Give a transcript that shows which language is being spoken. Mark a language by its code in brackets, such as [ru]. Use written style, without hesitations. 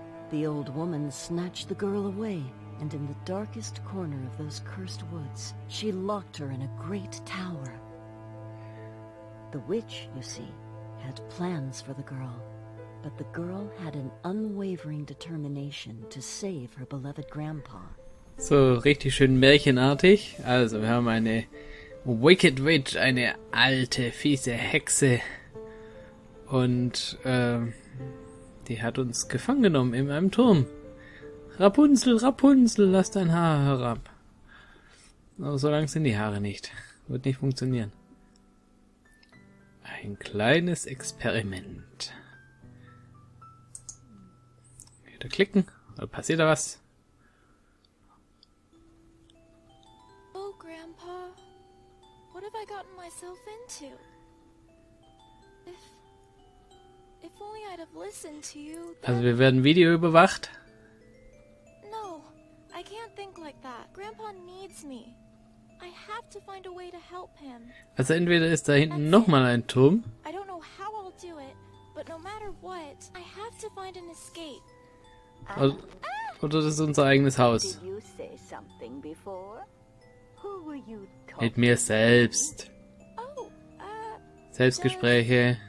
[en] The old woman snatched the girl away And in the darkest corner of those cursed woods, she locked her in a great tower. The witch, you see, had plans for the girl. But the girl had an unwavering determination to save her beloved grandpa. [de] So, richtig schön märchenartig. Also, wir haben eine Wicked Witch, eine alte, fiese Hexe. Und, die hat uns gefangen genommen in einem Turm. Rapunzel, Rapunzel, lass dein Haar herab. Aber so lang sind die Haare nicht. Wird nicht funktionieren. Ein kleines Experiment. Wieder klicken. Oder passiert da was? [en] Oh, Grandpa. What have I gotten myself into? If only I'd have listened to you. [de] Also wir werden Video überwacht. [en] No, I can't think like that. Grandpa needs me. I have to find a way to help him. [de] Also entweder ist da hinten nochmal ein Turm. [en] I don't know how I'll do it, but no matter what, I have to find an escape. [de] Oder das ist unser eigenes Haus. [en] Did you say something before? Who were you talking [de] mit mir selbst. Oh, Selbstgespräche.